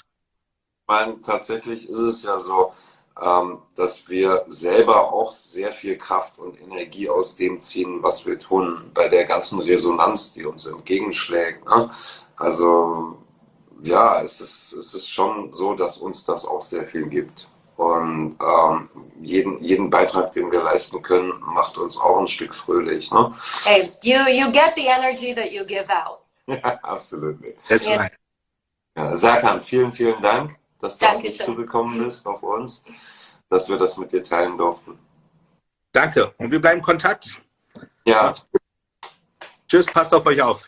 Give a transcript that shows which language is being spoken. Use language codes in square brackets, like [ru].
[de] Ich meine, tatsächlich ist es ja so, dass wir selber auch sehr viel Kraft und Energie aus dem ziehen, was wir tun, bei der ganzen Resonanz, die uns entgegenschlägt. Ne? Also ja, es ist schon so, dass uns das auch sehr viel gibt. Und jeden Beitrag, den wir leisten können, macht uns auch ein Stück fröhlich. Ne? [en] Hey, you get the energy that you give out. [de] Ja, absolut. [en] That's right. [de] Ja, Sakan, vielen, vielen Dank, dass du zugekommen bist auf uns, dass wir das mit dir teilen durften. Danke. Und wir bleiben in Kontakt. Ja. Tschüss, passt auf euch auf.